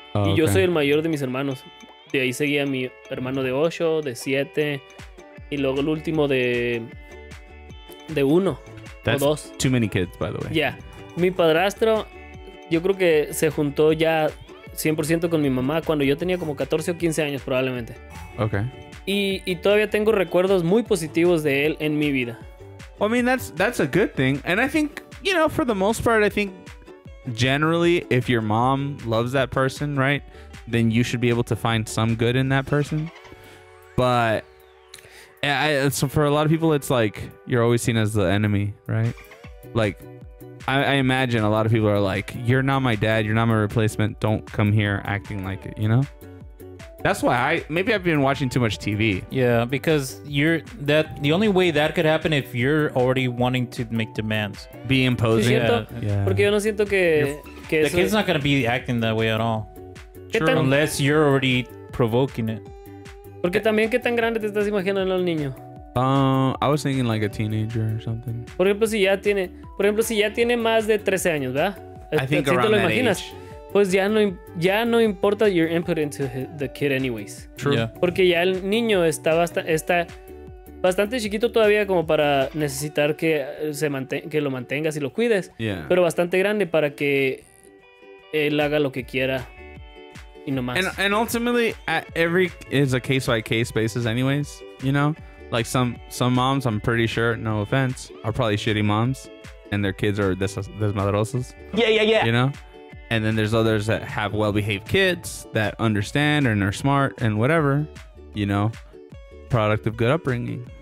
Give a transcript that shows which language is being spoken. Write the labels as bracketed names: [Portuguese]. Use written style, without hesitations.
[Spanish] Oh, y yo soy el mayor de mis hermanos. De ahí seguía mi hermano de 8, de 7, y luego el último de 1 o 2. [English] Too many kids, by the way. Yeah. [Spanish] Mi padrastro, yo creo que se juntó ya 100% con mi mamá cuando yo tenía como 14 o 15 años probablemente. [English] Ok. [Spanish] Y todavía tengo recuerdos muy positivos de él en mi vida. [English] I mean, that's a good thing. And I think, you know, for the most part, I think generally if your mom loves that person, right, then you should be able to find some good in that person. But so for a lot of people, it's like you're always seen as the enemy, right? Like, I imagine a lot of people are like, you're not my dad. You're not my replacement. Don't come here acting like it, you know? That's why maybe I've been watching too much TV. Yeah, because the only way that could happen if you're already wanting to make demands. Be imposing. [Spanish] Yeah. Porque yo no siento que [English] the kid's not going to be acting that way at all. True. Unless you're already provoking it. [Spanish] Porque también, ¿qué tan grande te estás imaginando al niño? [English] I was thinking like a teenager or something. [Spanish] Por ejemplo, si ya tiene más de 13 años, ¿verdad? [English] I think around that age. [Spanish] Pues ya no importa [English] your input into the kid anyways. True. Yeah. [Spanish] Porque ya el niño está bastante chiquito todavía como para necesitar que que lo mantengas y lo cuides. [English] Yeah. [Spanish] Pero bastante grande para que él haga lo que quiera y no más. [English] And ultimately, every is a case by case basis anyways, you know? Like some moms, I'm pretty sure, no offense, are probably shitty moms and their kids are desmadrosos. Yeah. You know? And then there's others that have well-behaved kids that understand and are smart and whatever, you know, product of good upbringing.